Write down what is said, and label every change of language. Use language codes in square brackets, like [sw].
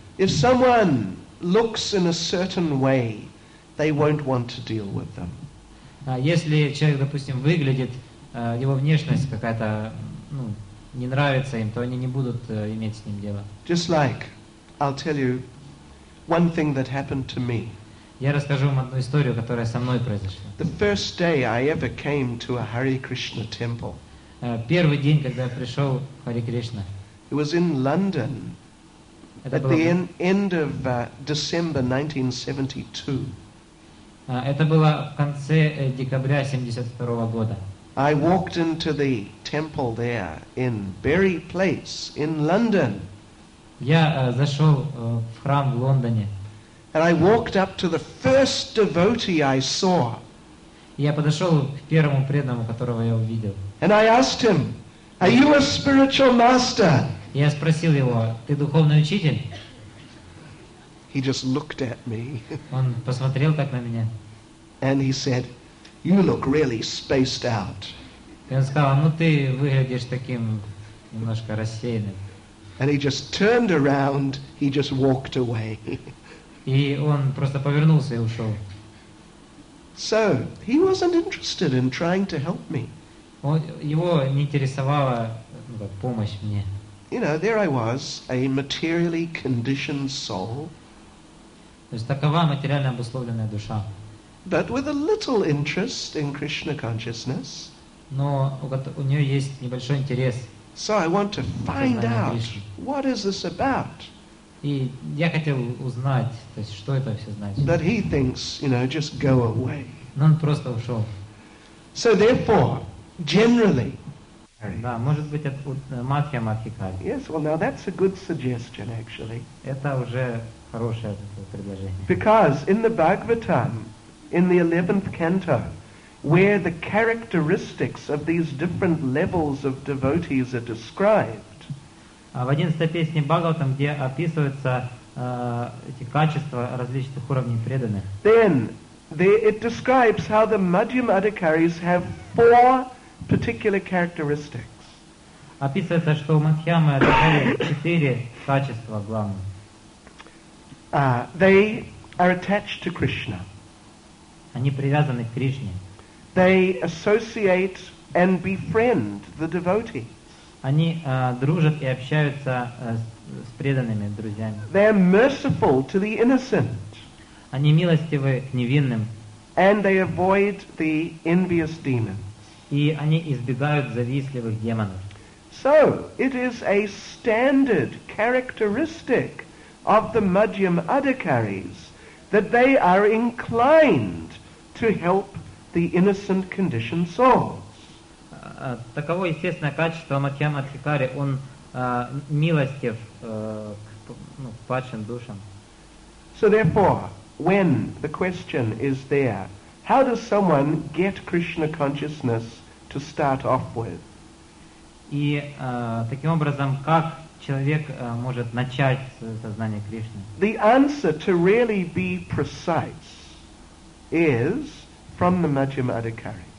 [en] If someone looks in a certain way, they won't want to deal with them. [ru] Если человек, допустим, выглядит, его внешность какая-то, ну, не нравится им, то они не будут иметь с ним дело. [en] Just like, I'll tell you one thing that happened to me. [ru] Я расскажу вам одну историю, которая со мной произошла. [en] The first day I ever came to a Hare Krishna temple. [ru] Первый день, когда я пришел в Hare Krishna. [en] It was in London. At the end of December 1972. [ru] Это было в конце декабря 72 года. [en] I walked into the temple there in Bury Place in London. [ru] Я зашел в храм в Лондоне. [en] And I walked up to the first devotee I saw. [ru] Я подошел к первому преданному, которого я увидел. [en] And I asked him, "Are you a spiritual master?" [ru] Я спросил его, ты духовный учитель? [en] He just looked at me. [ru] Он посмотрел так на меня. [en] And he said, "You look really spaced out." [ru] И он сказал, ну ты выглядишь таким немножко рассеянным. [en] And he just turned around, he just walked away. [ru] И он просто повернулся и ушел. [en] So, he wasn't interested in trying to help me. [ru] Его не интересовала помощь мне. [en] You know, there I was, a materially conditioned soul. [ru] То есть такова материально обусловленная душа. [en] But with a little interest in Krishna consciousness. [ru] Но у нее есть небольшой интерес. [en] So I want to find out what is this about. [ru] И я хотел узнать, то есть что это все значит. [en] But he thinks, you know, just go away. [ru] Но он просто ушел. [en] So therefore, generally. [ru] Да, может быть, это Мадхья Мадхикари. [en] Yes, well, now that's a good suggestion, actually. [ru] Это уже хорошее предложение. [en] Because in the Bhagavatam, in the 11th canto, where the characteristics of these different levels of devotees are described. [ru] В 11-й песне Бхагаватам, где описываются эти качества различных уровней преданных. [en] Then it describes how the Madhyam Adhikaris have four particular characteristics. [ru] Описывается, что у Мадхьямы Адхикари четыре качества главные. [en] They are attached to Krishna. [ru] Они привязаны к Кришне. [en] They associate and befriend the devotees. [ru] Они дружат и общаются с преданными друзьями. [en] They are merciful to the innocent. [ru] Они милостивы к невинным. [en] And they avoid the envious demons. [ru] И они избегают завистливых демонов. [en] So, it is a standard characteristic of the Madhyam Adhikaris that they are inclined to help the innocent conditioned souls. [ru] Таково естественное качество Мадхьям Адхикари, он милостив к падшим душам. [en] So therefore, when the question is there, how does someone get Krishna consciousness to start off with? [ru] И таким образом, как человек может начать сознание Кришны? [en] The answer, to really be precise, is from the Madhyam Adhikaris.